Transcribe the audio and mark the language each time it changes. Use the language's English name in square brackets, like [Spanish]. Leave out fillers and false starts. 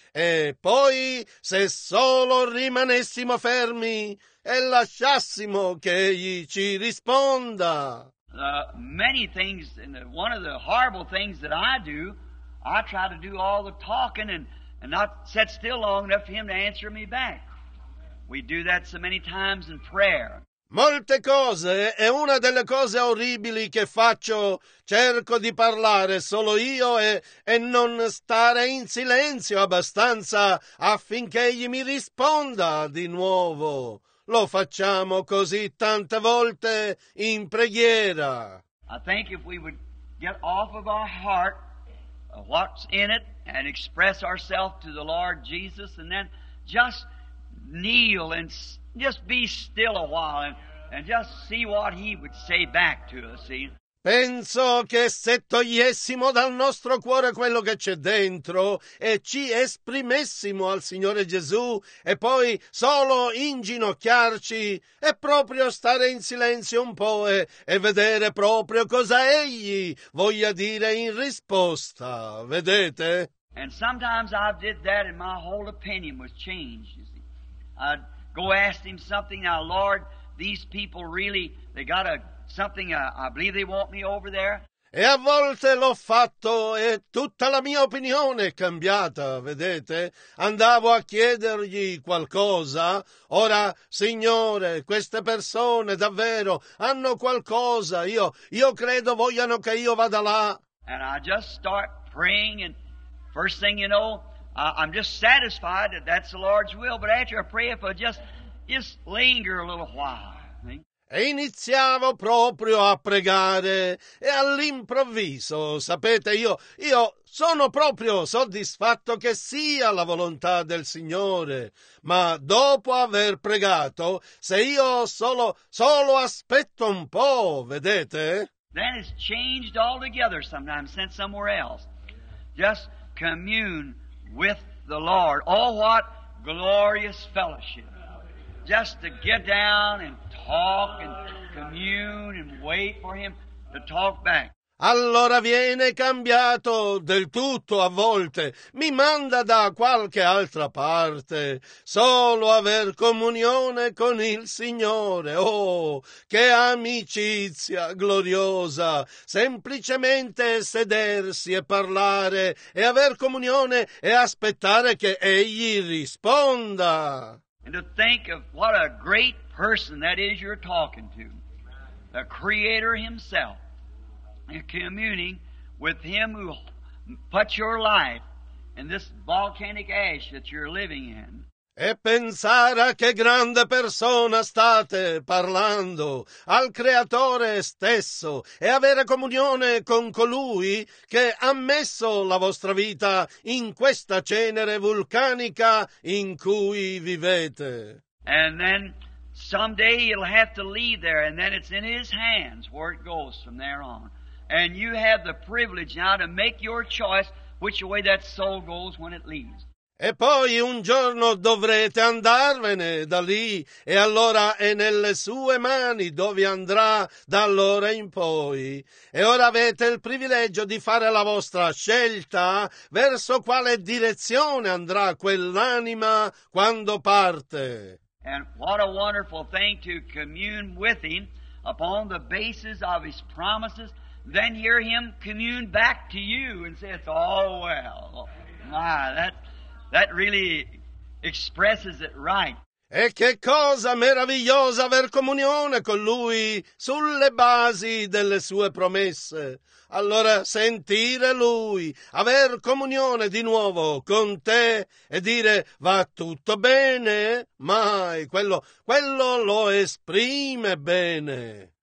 [Italian] E poi, se solo rimanessimo fermi e lasciassimo che Egli ci risponda. [English] Many things, and one of the horrible things that I do, I try to do all the talking and not sit still long enough for him to answer me back. We do that so many times in prayer. [Italian] Molte cose, e una delle cose orribili che faccio, cerco di parlare solo io e non stare in silenzio abbastanza affinché egli mi risponda di nuovo. Lo facciamo così tante volte in preghiera. [English] I think if we would get off of our heart what's in it and express ourselves to the Lord Jesus and then just kneel and just be still a while and just see what he would say back to us, see? [Italian] Penso che se togliessimo dal nostro cuore quello che c'è dentro e ci esprimessimo al Signore Gesù e poi solo inginocchiarci e proprio stare in silenzio un po' e vedere proprio cosa Egli voglia dire in risposta, vedete? [English] And sometimes I did that and my whole opinion was changed, you see. I'd go ask him something, now Lord, these people really, they got a something I believe they want me over there. [Italian] E a volte l'ho fatto e tutta la mia opinione è cambiata, vedete? Andavo a chiedergli qualcosa. Ora, Signore, queste persone davvero hanno qualcosa. Io credo vogliano che io vada là. [English] And I just start praying and first thing you know, I'm just satisfied that that's the Lord's will. But after I pray, if I just linger a little while. [Italian] E iniziavo proprio a pregare e all'improvviso, sapete, io sono proprio soddisfatto che sia la volontà del Signore, ma dopo aver pregato, se io solo aspetto un po', vedete? [English] That has changed altogether sometimes, sent somewhere else. Just commune with the Lord. Oh, what glorious fellowship. Just to get down and talk and commune and wait for him to talk back. [Italian] Allora viene cambiato del tutto a volte. Mi manda da qualche altra parte. Solo aver comunione con il Signore. Oh, che amicizia gloriosa. Semplicemente sedersi e parlare e aver comunione e aspettare che egli risponda. [English] And to think of what a great person that is you're talking to, the Creator Himself, and communing with Him who put your life in this volcanic ash that you're living in. [Italian] E pensare a che grande persona state parlando, al Creatore stesso, e avere comunione con colui che ha messo la vostra vita in questa cenere vulcanica in cui vivete. [English] And then someday you'll have to leave there, and then it's in His hands where it goes from there on. And you have the privilege now to make your choice which way that soul goes when it leaves. [Italian] E poi un giorno dovrete andarvene da lì, e allora è nelle sue mani dove andrà da allora in poi. E ora avete il privilegio di fare la vostra scelta verso quale direzione andrà quell'anima quando parte. [English] And what a wonderful thing to commune with him upon the basis of his promises, then hear him commune back to you and say, it's all well. My, that really expresses it right. [Italian] E che cosa meravigliosa aver comunione con lui sulle basi delle sue promesse. Allora sentire lui, aver comunione di nuovo con te e dire va tutto bene, mai, quello lo esprime bene.